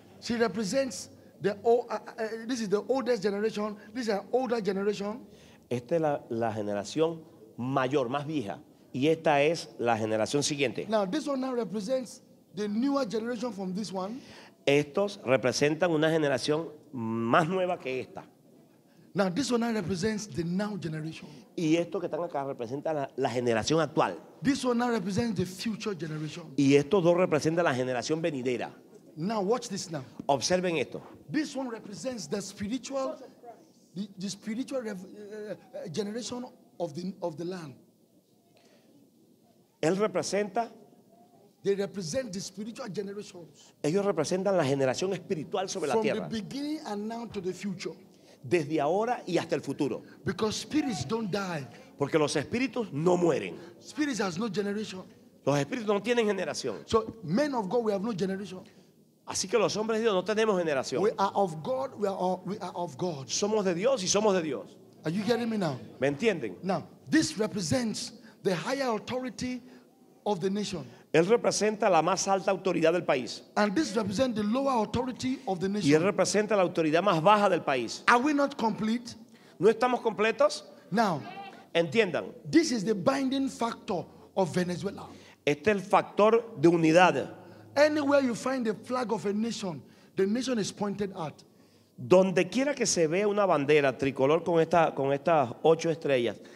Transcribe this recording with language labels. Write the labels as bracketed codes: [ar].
[en] She represents the old, this is the oldest generation. This is an older generation. [es] Esta es la generación mayor, más vieja, y esta es la generación siguiente. [en] Now this one now represents the newer generation from this one. [es] Estos representan una generación más nueva que esta. [en] Now this one now represents the now generation. [es] Y esto que están acá representa la generación actual. [en] This one now represents the future generation. [es] Y estos dos representan la generación venidera. [en] Now watch this now. [es] Observen esto. [en] This one represents the spiritual, the spiritual generation of the land. [es] Él representa. [en] They represent the spiritual generations. [es] Ellos representan la generación espiritual sobre [en] from [es] la tierra. [en] From the beginning and now to the future. [es] Desde ahora y hasta el futuro. [en] Because spirits don't die. [es] Porque los espíritus no mueren. [en] Spirits has no generation. [es] Los espíritus no tienen generación. [en] So men of God, we have no generation. [es] Así que los hombres de Dios no tenemos generación. [en] We are of God, we are of God. [es] Somos de Dios y somos de Dios. [en] Are you getting me now? [es] ¿Me entienden? [en] Now, this represents the higher authority of the nation. [es] Él representa la más alta autoridad del país. [en] And this represents the lower authority of the nation. [es] Y él representa la autoridad más baja del país. [en] Are we not complete? [es] ¿No estamos completos? [en] Now, [es] entiendan. [en] This is the binding factor of Venezuela. [es] Este es el factor de unidad. [en] Anywhere you find the flag of a nation, the nation is pointed at. [es] Donde quiera que se vea una bandera tricolor con estas 8 estrellas,